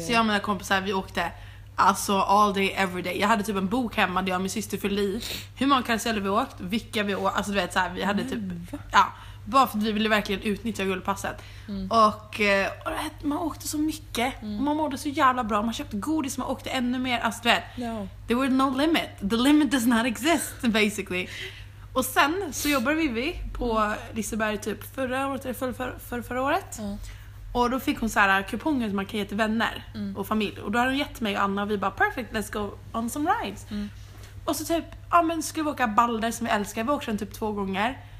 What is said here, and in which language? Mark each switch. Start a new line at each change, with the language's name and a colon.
Swedish: Så jag och mina kompisar, vi åkte alltså
English: all day, every day.
Swedish: Jag hade typ en bok hemma där jag och min syster fyllde i hur många karuseller vi åkt, vilka vi åkt. Alltså du vet så här, vi hade typ ja, bara för att vi ville verkligen utnyttja guldpasset. Och man åkte så mycket. Man mådde så jävla bra. Man köpte godis, man åkte ännu mer. Alltså du vet,
English: there were no limit. The limit does not exist, basically.
Swedish: Och sen så jobbade Vivi på Liseberg typ förra året eller förra året. Och då fick hon så här kuponger som man kan ge till vänner och familj. Och då hade hon gett mig och Anna och vi bara,
English: perfect, let's go on some rides.
Swedish: Och så typ, ja men skulle vi åka Balder som vi älskar. Vi åkte den typ 2 gånger.